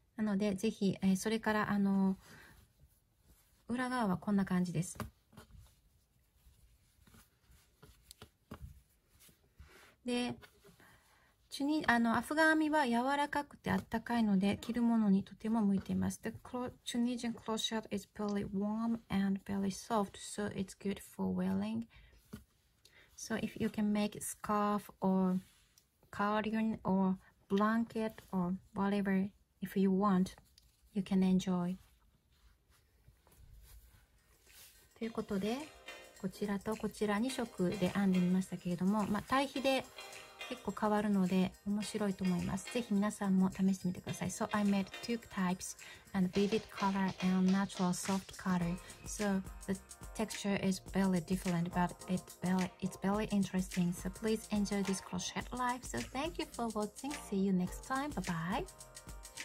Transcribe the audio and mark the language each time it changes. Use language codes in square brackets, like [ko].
[ja] なのでぜひ、それから裏側はこんな感じです。でアフガン編みは柔らかくてあったかいので着るものにとても向いています。 [en] The Tunisian cloth shirt is pretty warm and very soft, so it's good for wearing. So if you can make a scarf or cardigan or blanket or whatever if you want, you can enjoy. [ja] ということでこちらとこちら2色で編んでみましたけれども、まあ、対比で結構変わるので面白いと思います。ぜひ皆さんも試してみてください。 [en] So I made two types, and vivid color and natural soft color. So the texture is very different, but it's very interesting. So please enjoy this crochet life. So thank you for watching. See you next time. Bye bye.